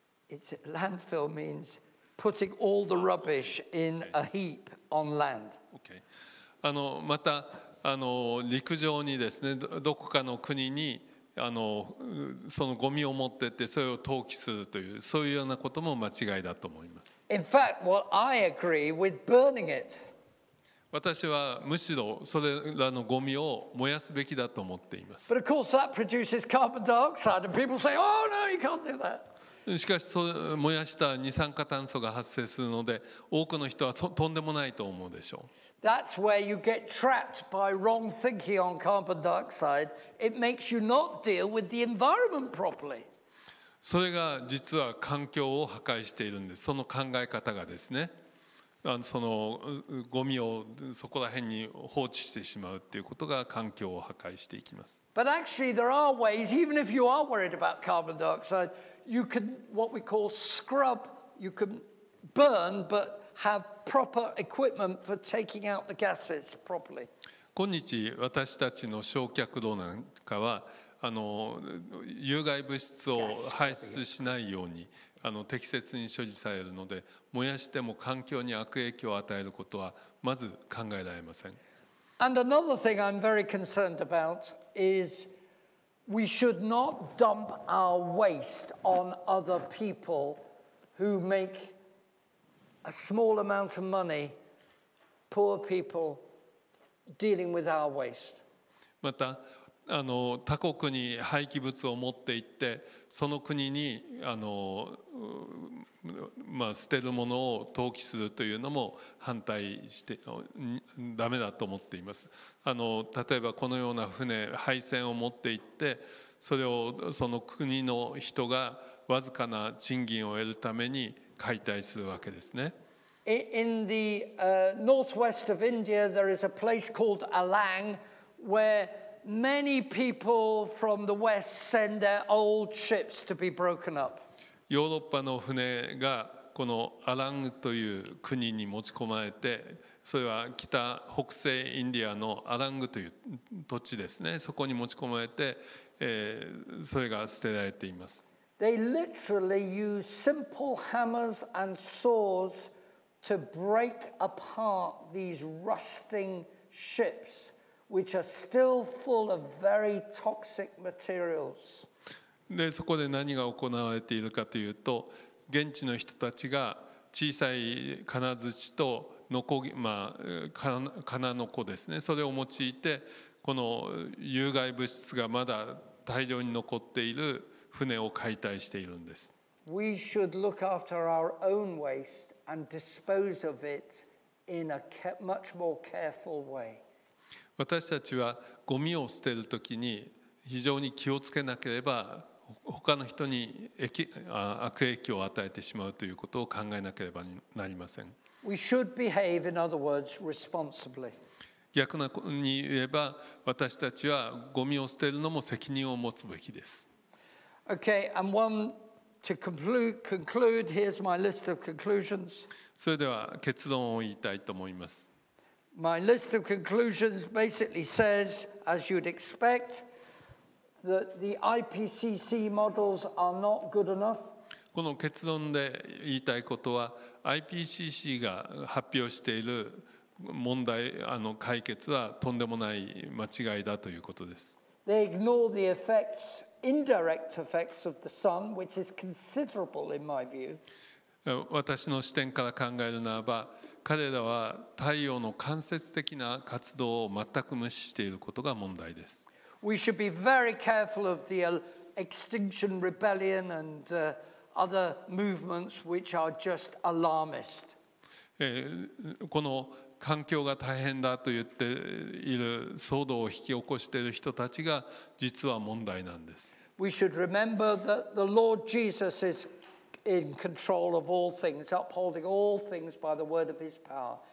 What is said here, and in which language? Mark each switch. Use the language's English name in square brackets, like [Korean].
[English] it's landfill means putting all the rubbish in a heap on land. [Japanese] Okay. また、あの陸上にですね、どこかの国にあのそのゴミを持っていってそれを投棄するというそういうようなことも間違いだと思います。 [English] In fact, what I agree with burning it. [Japanese] 私はむしろそれらのゴミを燃やすべきだと思っています。 [English] But of course, that produces carbon dioxide, and people say, "Oh no, you can't do that." [Japanese] しかし燃やした二酸化炭素が発生するので、多くの人はとんでもないと思うでしょう。 [English] That's where you get trapped by wrong thinking on carbon dioxide. It makes you not deal with the environment properly. [Japanese] それが実は環境を破壊しているんです。その考え方がですね、あのそのゴミをそこら辺に放置してしまうということが環境を破壊していきます。 [English] But actually, there are ways. Even if you are worried about carbon dioxide, you can what we call scrub. You can burn, but have proper equipment for taking out the gases properly. [Japanese] 今日私たちの焼却炉なんかはあの有害物質を排出しないようにあの適切に処理されるので燃やしても環境に悪影響を与えることはまず考えられません。 [English] And another thing I'm very concerned about is we should not dump our waste on other people who makeA small amount of money, poor people dealing with our waste. [Japanese] またあの他国に廃棄物を持って行ってその国にあの、まあ、捨てるものを投棄するというのも反対してダメだと思っています。あの例えばこのような船廃船を持って行ってそれをその国の人がわずかな賃金を得るために解体するわけですね。 [English] In the northwest of India, there is a place called Alang, where many people from the west send their old ships to be broken up. [Japanese] ヨーロッパの船がこのアラングという国に持ち込まれて、それは北西インディアのアラングという土地ですね。そこに持ち込まれて、それが捨てられています。 [English] They literally use simple hammers and saws. To break apart these rusting ships, which are still full of very toxic materials. [Japanese] で、そこで何が行われているかというと、現地の人たちが小さい金槌とノコギ、まあ金ノコですね。それを用いて、この有害物質がまだ大量に残っている船を解体しているんです。 [English] We should look after our own waste. And dispose of it in a much more careful way. [Japanese] 私たちはゴミを捨てるときに非常に気をつけなければ他の人に悪影響を与えてしまうということを考えなければなりません。 [English] We should behave, in other words, responsibly. [Japanese] 逆に言えば私たちはゴミを捨てるのも責任を持つべきです。 [English] Okay, and one. To conclude, here's my list of conclusions. [Japanese] それでは結論を言いたいと思います。 [English] My list of conclusions basically says, as you'd expect, that the IPCC models are not good enough. [Japanese] この結論で言いたいことは、IPCC が発表している問題、あの解決はとんでもない間違いだということです。 [English] They ignore the effects. Indirect effects of the sun, which is considerable in my view. [Japanese] 私の視点から考えるならば、彼らは太陽の間接的な活動を全く無視していることが問題です。 [English] We should be very careful of the extinction rebellion and other movements which are just alarmist. [Japanese] この環境が大変だと言っている騒動を引き起こしている人たちが実は問題なんです。 [English] We should remember that the Lord Jesus is in control of all things, upholding all things by the word of his power.